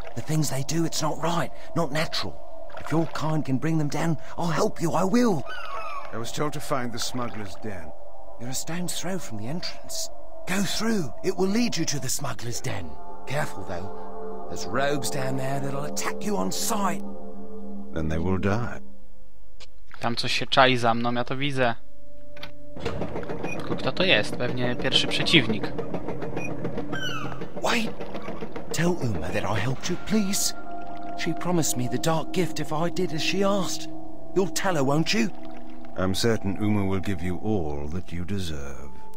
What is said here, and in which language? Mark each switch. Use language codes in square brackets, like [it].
[en] The things they do, it's not right, not natural. If your kind can bring them down, I'll help you, I will. I was told to find the smuggler's den. You're a stone's throw from the entrance. Go through, it will lead you to the smuggler's den. Careful though, there's rogues down there that'll attack you on sight. Then they will die. [pl] Tam coś się czai za mną, ja to widzę. Tylko kto to jest? Pewnie pierwszy przeciwnik. [en] Wait. Tell Uma that I helped you, please. She promised me the dark gift if I did as she asked. You'll tell her, won't you? I'm certain Uma will give you all that you deserve.